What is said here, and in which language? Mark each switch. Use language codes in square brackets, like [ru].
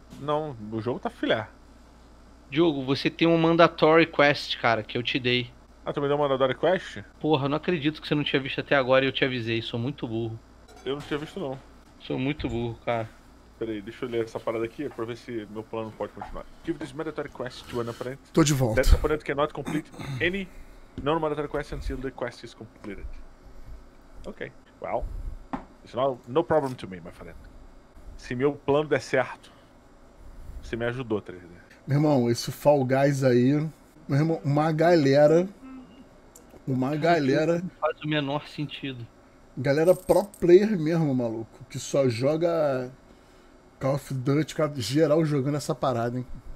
[pt] Não, o jogo tá filé. Diogo, você tem um mandatory quest, cara, que eu te dei. Ah, tu me deu um mandatory quest? Porra, não acredito que você não tinha visto até agora e eu te avisei, sou muito burro. Eu não tinha visto, não. Sou muito burro, cara. Peraí, deixa eu ler essa parada aqui pra ver se meu plano pode continuar. [en] Give this mandatory quest to an opponent. [pt] Tô de volta. [en] That opponent cannot complete any non-mandatory quest until the quest is completed. Ok. Well, it's no problem to me, my friend. [pt] Se meu plano der certo, você me ajudou, 3D. Meu irmão, esse Fall Guys aí, meu irmão, uma galera... Não faz o menor sentido. Galera pro player mesmo, maluco, que só joga Call of Duty, geral jogando essa parada, hein?